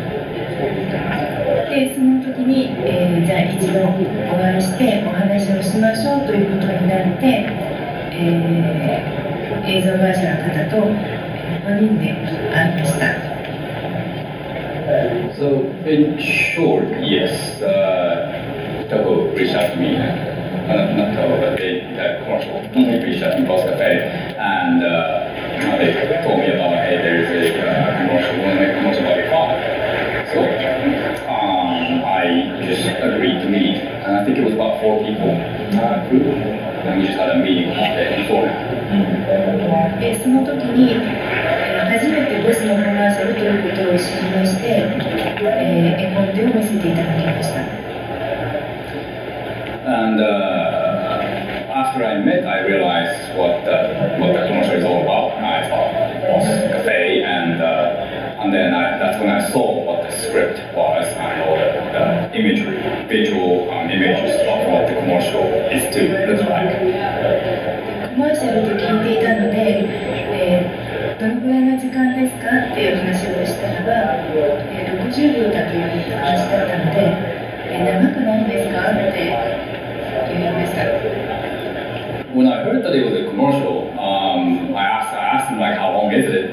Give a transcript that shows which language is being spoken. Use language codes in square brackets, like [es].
[ja] っていう話がありました。でその時に、じゃあ一度お会いしてお話をしましょうということになって、映像会社の方と4人で会いました。 [en] So in short, yes, Taho reached out to me, not Taho, but the commercial company reached out to Boss Cafe andthey told me about, hey, there's a commercial about your father. So I just agreed to meet, and I think it was about four people, group, and we just had a meeting about it beforehand. [ja] その時に初めてボスのコマーシャルということを知りまして、絵コンテを見せていただきました。 [en] And, after I met, I realized what the commercial is all about. I thought Boss Cafe, and then that's when I saw what the script was and all the imagery, visual images of what the commercial is to look like. [ja] Commercial と聞いていたので、どのくらいの時間ですかっていう話をしたらば、60秒だという話だったので、長くないですかって言いました。 [en] When I heard that it was a commercial, I asked them like, how long is it?